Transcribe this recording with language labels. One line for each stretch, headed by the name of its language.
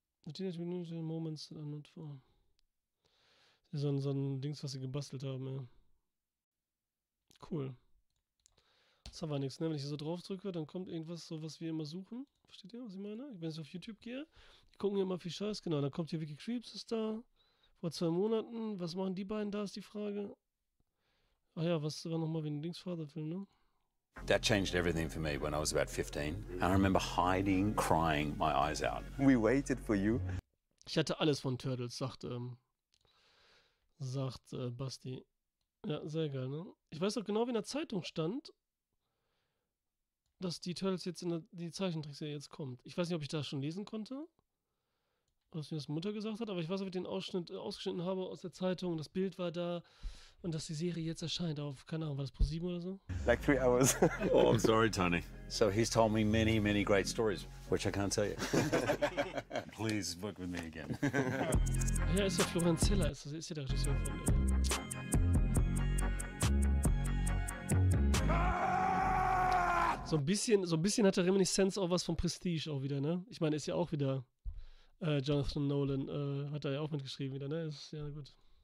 German: Teenage Mutant Ninja Moments sind an und vor. So ein Dings, was sie gebastelt haben, ey. Cool. Das war nichts, ne? Wenn ich hier so drauf drücke, dann kommt irgendwas, so was wir immer suchen. Versteht ihr, was ich meine? Wenn ich auf YouTube gehe. Gucken wir mal, wie scheiß, genau, dann kommt hier Wiki Creeps, ist da, vor 2 Monaten, was machen die beiden da, ist die Frage. Ah ja, was war nochmal wie ein Linksvaterfilm, ne?
English: That changed everything for me when I was about 15. And I remember hiding, crying my eyes out. We waited for you.
German: Ich hatte alles von Turtles, sagt Basti. Ja, sehr geil, ne? Ich weiß auch genau, wie in der Zeitung stand, dass die Turtles jetzt in die Zeichentrickserie jetzt kommt. Ich weiß nicht, ob ich das schon lesen konnte. Was mir das Mutter gesagt hat, aber ich weiß, ob ich den ausgeschnitten habe aus der Zeitung, das Bild war da und dass die Serie jetzt erscheint auf, keine Ahnung, war das ProSieben oder so?
English: Like 3 hours. Oh, I'm sorry, Tony. So he's told me many, many great stories, which I can't tell you. Please work with me again.
German: Ja, ist doch Florian Zeller, ist ja der Regisseur von mir. So ein bisschen hat der Reminiscence auch was von Prestige auch wieder, ne? Ich meine, ist ja auch wieder. Jonathan Nolan hat da ja auch mitgeschrieben wieder, ne? Ist ja gut.